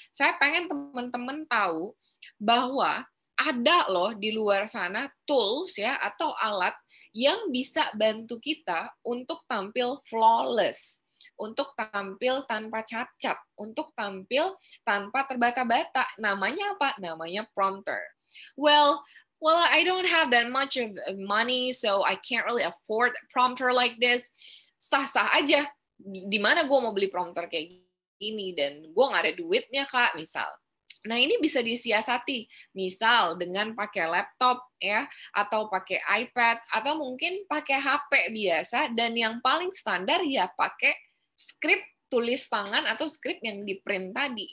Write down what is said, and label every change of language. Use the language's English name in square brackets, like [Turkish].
[Indonesian] Saya pengen teman-teman tahu bahwa ada loh di luar sana tools ya atau alat yang bisa bantu kita untuk tampil flawless, untuk tampil tanpa cacat, untuk tampil tanpa terbata-bata. Namanya apa? Namanya prompter. [English] Well, I don't have that much of money, so I can't really afford a prompter like this. [Indonesian] Sah-sah aja. Di mana gue mau beli prompter kayak gini? Dan gue nggak ada duitnya, Kak, misal. Nah, ini bisa disiasati. Misal, dengan pakai laptop, ya, atau pakai iPad, atau mungkin pakai HP biasa, dan yang paling standar, ya, pakai script tulis tangan atau script yang di-print tadi.